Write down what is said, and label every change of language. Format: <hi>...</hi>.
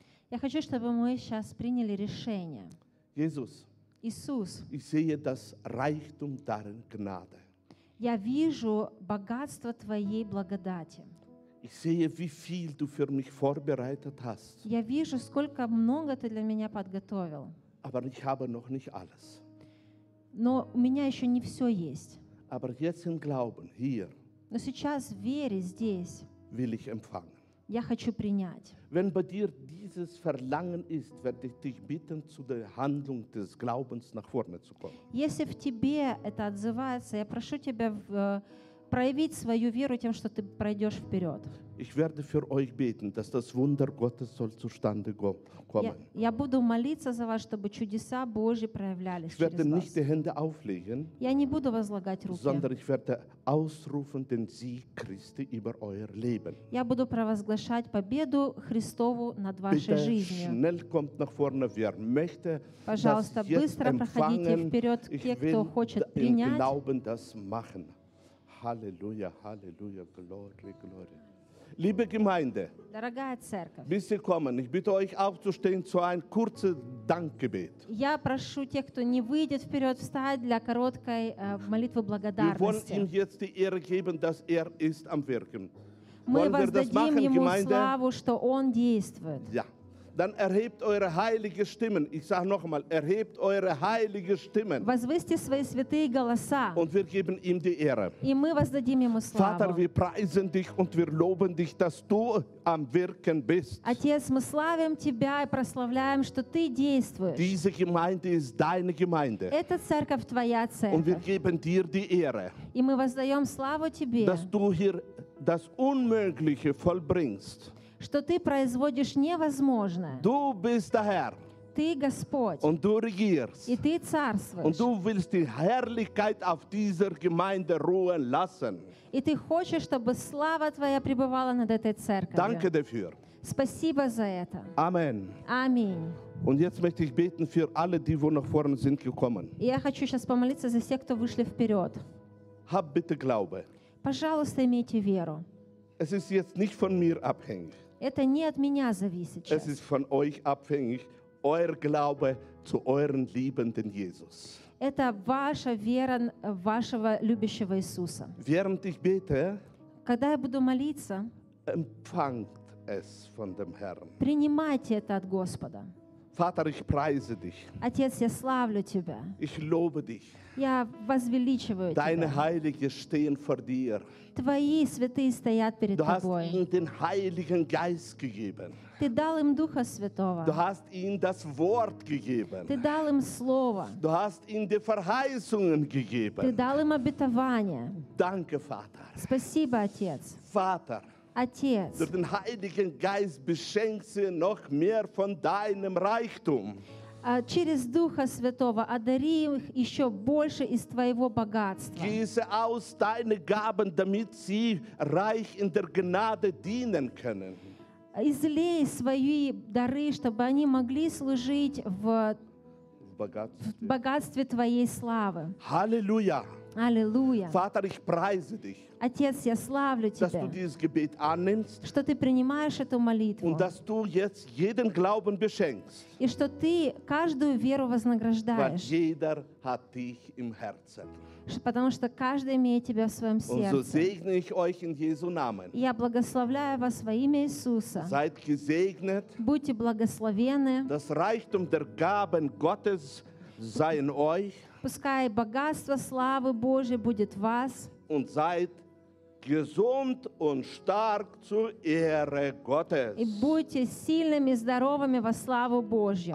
<ru>Я хочу, чтобы мы сейчас приняли решение.</ru> <de>Jesus,</de> <ru>Иисус,</ru> <de>ich sehe das Reichtum darin Gnade.</de> <ru>Я вижу богатство Твоей благодати.</ru> <de>Ich sehe, wie viel du für mich vorbereitet hast.</de> <ru>Я вижу, сколько много Ты для меня подготовил.</ru> <de>Aber ich habe noch nicht alles.</de> <ru>Но у меня еще не все есть.</ru> <de>Aber jetzt im Glauben, hier,</de> <ru>но сейчас в вере здесь</ru> <de>will ich empfangen.</de> <ru>Я хочу принять.</ru> <de>Wenn bei dir dieses Verlangen ist, werde ich dich bitten, zu der Handlung des Glaubens nach vorne zu kommen.</de> <ru>Если в тебе это отзывается, я прошу тебя проявить свою веру тем, что ты пройдешь вперед.</ru> <de>Ich werde für euch beten, dass das Wunder Gottes soll zustande kommen.</de> <ru>Я буду молиться за вас, чтобы чудеса Божьи проявлялись.</ru> <de>Ich werde nicht die Hände auflegen.</de> <ru>Я не буду возлагать руки.</ru> <de>Sondern ich werde ausrufen den Sieg Christi über euer Leben.</de> <ru>Я буду провозглашать победу Христову над вашей жизнью.</ru> <de>Bitte schnell kommt nach vorne, wer möchte.</de> <ru>Пожалуйста, быстро проходите вперед, кто хочет принять.</ru> <de>Im Glauben das machen. Halleluja, Halleluja,</de> <en>Glory, Glory.</en> <de>Liebe Gemeinde, bis Sie kommen, ich bitte euch aufzustehen zu einem kurzen Dankgebet.</de> <ru>Я прошу тех, кто не выйдет вперед, встать для короткой молитвы благодарности.</ru> <de>Wir wollen ihm jetzt die Ehre geben, dass er ist am Wirken.</de> <ru>Мы воздадим ему славу, что он действует.</ru> <de>Ja. Dann erhebt eure heilige Stimmen. Ich sage nochmal, erhebt eure heilige Stimmen.</de> <ru>Возвысьте свои святые голоса.</ru> <de>Und wir geben ihm die Ehre.</de> <ru>И мы воздадим ему славу.</ru> <de>Vater, wir preisen dich und wir loben dich, dass du am Wirken bist.</de> <ru>Отец, мы славим тебя и прославляем, что ты действуешь.</ru> <de>Diese Gemeinde ist deine Gemeinde.</de> <ru>Эта церковь твоя церковь.</ru> <de>Und wir geben dir die Ehre.</de> <ru>И мы воздаем славу тебе.</ru> <de>Dass du hier das Unmögliche vollbringst.</de> <ru>Что ты производишь невозможное.</ru> <de>Du bist der Herr.</de> <ru>Ты Господь.</ru> <de>Und du regierst.</de> <ru>И ты царствуешь.</ru> <de>Und du willst die Herrlichkeit auf dieser Gemeinde ruhen lassen.</de> <ru>И ты хочешь, чтобы слава твоя пребывала над этой церковью.</ru> <de>Danke dafür.</de> <ru>Спасибо за это.</ru> <de>Amen.</de> <ru>Аминь.</ru> <de>Und jetzt möchte ich beten für alle, die wo nach vorne sind gekommen.</de> <ru>Я хочу сейчас помолиться за всех, кто вышли вперед.</ru> <de>Hab bitte Glaube.</de> <ru>Пожалуйста, имейте веру.</ru> <de>Es ist jetzt nicht von mir abhängig.</de> <ru>Это не от меня зависит.</ru> <de>Es ist von euch abhängig, euer Glaube zu euren liebenden Jesus.</de> <ru>Это ваша вера вашего любящего Иисуса.</ru> <de>Während ich bete,</de> <ru>когда я буду молиться,</ru> <de>empfangt es von dem Herrn.</de> <ru>Принимайте это от Господа.</ru> <de>Vater, ich preise dich.</de> <ru>Отец, я славлю тебя.</ru> <de>Ich lobe dich.</de> <ru>Я возвеличиваю тебя.</ru> <de>Deine Heilige stehen vor dir.</de> <ru>Твои святые стоят перед</ru> <de>du</de> <ru>тобой.</ru> <de>Du hast ihnen den Heiligen Geist gegeben.</de> <ru>Ты дал им Духа Святого.</ru> <de>Du hast ihnen das Wort gegeben.</de> <ru>Ты дал им Слово.</ru> <de>Du hast ihnen die Verheißungen gegeben.</de> <ru>Ты дал им обетование.</ru> <de>Danke, Vater.</de> <ru>Спасибо, Отец.</ru> <de>Vater.</de> <ru>Отец.</ru> <de>Durch den Heiligen Geist beschenkst du noch mehr von deinem Reichtum.</de> <ru>Через Духа Святого одари их еще больше из твоего богатства.</ru> <de>Gieße aus deine Gaben, damit sie reich in der Gnade dienen können.</de> <ru>Излей свои дары, чтобы они могли служить в богатстве твоей славы.</ru> <de>Halleluja. Halleluja. Vater, ich preise dich.</de> <ru>Отец, я славлю тебя.</ru> <de>Dass du dieses Gebet annimmst.</de> <ru>Что ты принимаешь эту молитву.</ru> <de>Und dass du jetzt jeden Glauben beschenkst.</de> <ru>И что ты каждую веру вознаграждаешь.</ru> <de>Weil jeder hat dich im Herzen.</de> <ru>Потому что каждый имеет тебя в своем сердце.</ru> <de>Und so segne ich euch in Jesu Namen.</de> <ru>Я благословляю вас во имя Иисуса.</ru> <de>Seid gesegnet.</de> <ru>Будьте благословены.</ru> <de>Das Reichtum der Gaben Gottes sei in euch.</de> <ru>Пускай богатство славы Божьей будет в вас.</ru> <de>Und seid gesund und stark zur Ehre Gottes.</de> <ru>И будьте сильными, здоровыми во славу Божью.</ru>